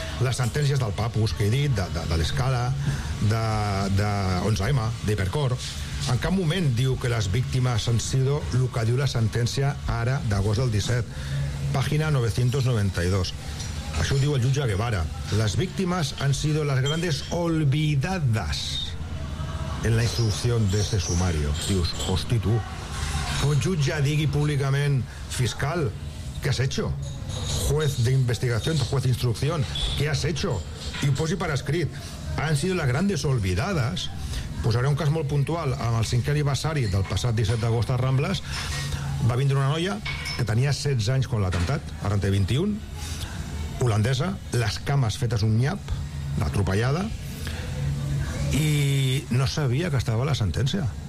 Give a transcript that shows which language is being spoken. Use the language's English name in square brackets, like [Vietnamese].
[Catalan] Les sentències del Papus, que he dit, de l'Escala, de 11M, d'Hipercor, en cap moment diu que les víctimes han sido el que diu la sentència ara, d'agost del 17, pàgina 992. Això ho diu el jutge Guevara. [Spanish] Les víctimes han sido las grandes olvidadas en la instrucció d'este sumario. [Catalan] Dius, hosti, tu, un jutge digui públicament, fiscal, què [Spanish] has hecho? [Catalan] Juez de investigació, juez d'instrucció, què [Spanish] has hecho? [Catalan] I ho posi per escrit. [Spanish] Han sido las grandes olvidades. [Catalan] Posaré un cas molt puntual. Amb el cinquè aniversari del passat 17 d'agost a Rambles, va vindre una noia que tenia 16 anys quan l'atemptat, ara en té 21, holandesa, les cames fetes un nyap, l'atropellada, i no sabia que estava la sentència.